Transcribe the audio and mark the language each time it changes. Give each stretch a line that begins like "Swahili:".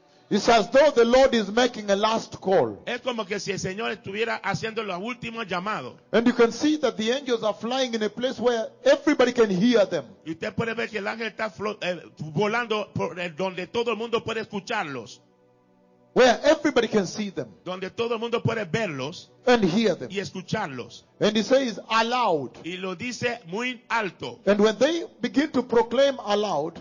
English: It's as though the Lord is making a last call.
Spanish: Es como que si el Señor estuviera haciendo el último llamado.
English: And you can see that the angels are flying in a place where everybody can hear them.
Spanish: Y usted puede ver que el ángel está volando donde todo el mundo puede escucharlos.
English: Where everybody can see them.
Spanish: Donde todo el mundo puede verlos.
English: And hear them.
Spanish: Y escucharlos.
English: And he says aloud.
Spanish: Y lo dice muy alto.
English: And when they begin to proclaim aloud.